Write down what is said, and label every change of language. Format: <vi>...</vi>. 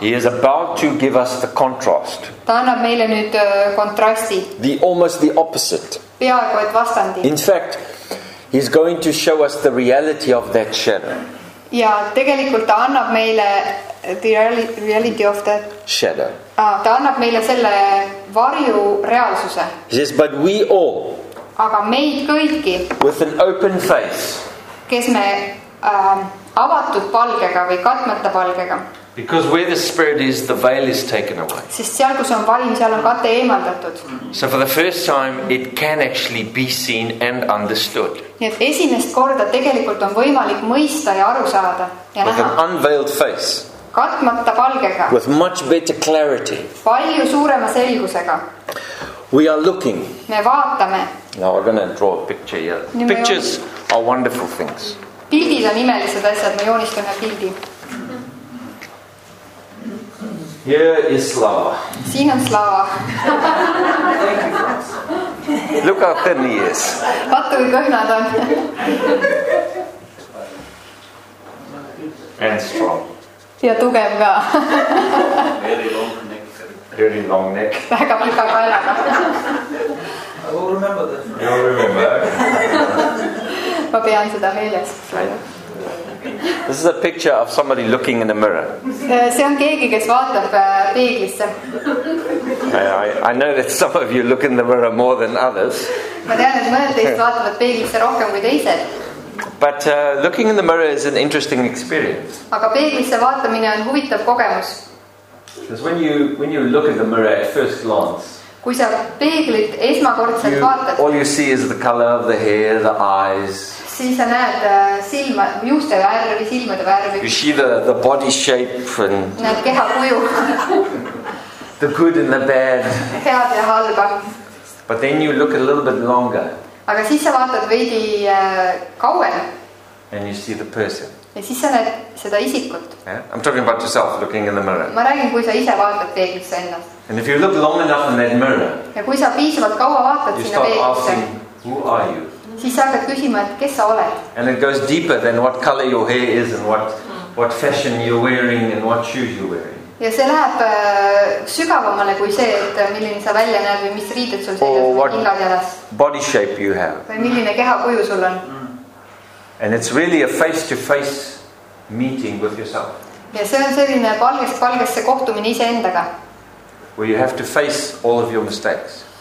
<en>He is about to give us the contrast.</en> <et>Ta annab meile nüüd kontrasti.</et> <en>The almost the opposite.</en> <et>Peaaegu, et vastandi.</et> <en>In fact, he's going to show us the reality of that shadow.</en> <et>Ja tegelikult ta annab meile</et> <en>the reality of that shadow.</en> <et>Ta annab meile selle varju reaalsuse.</et> <en>He says, but we all,</en> <et>aga meid kõiki,</et> <en>with an open face,</en> <et>kes me avatud palgega või katmata palgega,</et> <en>because where the spirit is, the veil is taken away.</en> <et>Sest seal, kus on valim, seal on kate eemaldatud.</et> <en>So for the first time, it can actually be seen and understood.</en> <et>Nii et esimest korda tegelikult on võimalik mõista ja aru saada ja</et> <en>with</en> <et>näha.</et> <en>An unveiled face.</en> <et>Katmata palgega.</et> <en>With much better clarity.</en> <et>Palju suurema selgusega.</et> <en>We are looking.</en> <et>Me vaatame.</et> <en>Now we're going to draw a picture here. Nii pictures are wonderful things.</en> <et>Pildid on imelised asjad, me joonistame pildi.</et> <en>Here is Slava.</en> <et>Siin on Slava.</et> <en>Look how thin he is.</en> <et>Vaata kui kõhnad on.</et> <en>And strong.</en> <et>Ja tugev ka.</et> <en>Very long neck.</en> <et>Väga pika kaelaga.</et> <en>I will remember this. You will remember.</en> <et>Ma pean seda meeles.</et> <en>This is a picture of somebody looking in a mirror.</en> <et>See on keegi, kes vaatab peeglisse.</et> <en>I know that some of you look in the mirror more than others.</en> <et>Ma tean, et mõned teist vaatavad peeglisse rohkem kui teised.</et> <en>But looking in the mirror is an interesting experience.</en> <et>Aga peeglisse vaatamine on huvitav kogemus.</et> <en>Because when you look at the mirror at first glance,</en> <et>kui sa peeglit esmakordselt vaatad,</et> <en>all you see is the color of the hair, the eyes.</en> <et>Siis sa näed silma, juuste värvi, silmade värvi.</et> <en>You see the body shape and</en> <et>näed keha kuju.</et> <en>The good and the bad.</en> <et>Head ja halba.</et> <en>But then you look a little bit longer.</en> <et>Aga siis sa vaatad veidi kauem.</et> <en>And you see the person.</en> <et>Ja siis sa näed seda isikut.</et> <en>Yeah? I'm talking about yourself looking in the mirror.</en> <et>Ma räägin, kui sa ise vaatad peeglisse ennast.</et> <en>And if you look long enough in that mirror,</en> <et>ja kui sa piisavalt kaua vaatad sinna peeglisse,</et> <en>you start asking, who are you?</en> <et>Siis sa hakkad küsima, et kes sa oled.</et> <en>And it goes deeper than what color your hair is and what fashion you're wearing and what shoes you're wearing.</en> <et>Ja see läheb sügavamale kui see, et milline sa välja näed või mis riided sul seljas või kingad jalas.</et> <en>Body shape you have.</en> <et>Või milline keha kuju sul on.</et> <en>And it's really a face-to-face meeting with yourself.</en> <et>Ja see on selline palgesse kohtumine ise endaga.</et> <en>Where you have to face all of your mistakes.</en>